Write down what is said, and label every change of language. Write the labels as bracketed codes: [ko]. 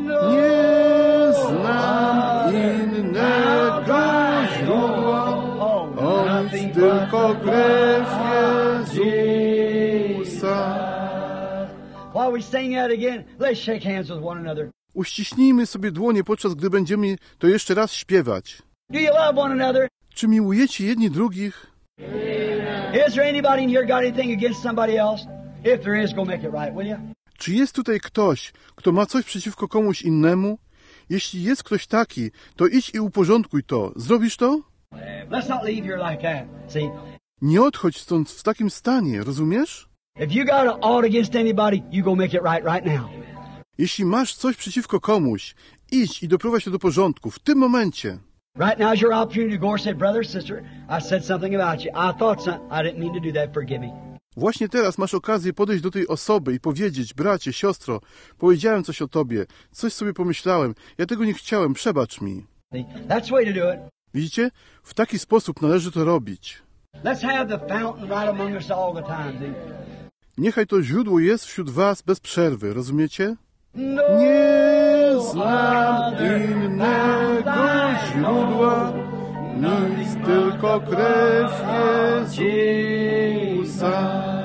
[pl] Nie znam innego źródła, o nic, tylko krew Jezusa. [en] While we sing that again, let's shake hands with one another. [pl] Uściśnijmy sobie dłonie, podczas gdy będziemy to jeszcze raz śpiewać. [en] Do you love one another? [pl] Czy miłujecie jedni drugich? [en] Is there anybody in here got anything against somebody else? If there is, go make it right, will you? [pl] Czy jest tutaj ktoś, kto ma coś przeciwko komuś innemu? Jeśli jest ktoś taki, to idź i uporządkuj to. Zrobisz to? [en] Let's not leave here like that, see? [pl] Nie odchodź stąd w takim stanie, rozumiesz? [en] If you got an ought against anybody, you go make it right right now. [pl] Jeśli masz coś przeciwko komuś, idź i doprowadź to do porządku w tym momencie. [en] Right now is your opportunity to go and say, brother, sister, I said something about you. I thought something. I didn't mean to do that. Forgive me. [pl] Właśnie teraz masz okazję podejść do tej osoby i powiedzieć, bracie, siostro, powiedziałem coś o tobie, coś sobie pomyślałem, ja tego nie chciałem, przebacz mi. [en] That's way to do it. [pl] Widzicie? W taki sposób należy to robić. [en] Let's have the fountain right among us all the time. [pl] Niechaj to źródło jest wśród was bez przerwy, rozumiecie? No, nie znam innego źródła, nic, tylko krew Jezusa.